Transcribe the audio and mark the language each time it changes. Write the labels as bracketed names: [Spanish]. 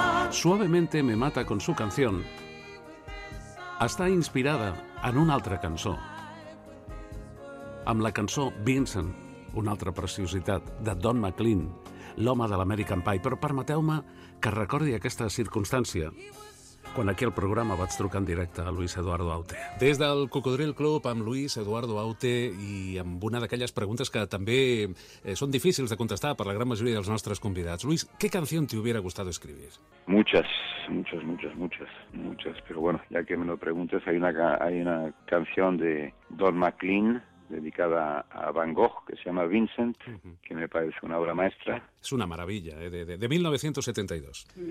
[Spanish] Suavemente me mata con su canción. [Catalan] Està inspirada en una altra cançó. Amb la cançó Vincent, una altra preciositat, de Don McLean, l'home de l'American Pie. Però permeteu-me que recordi aquesta circumstància quan aquí al programa vaig trucar en directe a Luis Eduardo Aute. Des del Cocodril Club amb Luis Eduardo Aute i amb una d'aquelles preguntes que també són difícils de contestar per la gran majoria dels nostres convidats. [Spanish] Luis, ¿qué canción te hubiera gustado escribir? Muchas. Pero bueno, ya que me lo preguntes, hay una canción de Don McLean dedicada a Van Gogh, que se llama Vincent, que me parece una obra maestra. Es una maravilla, ¿eh? De 1972.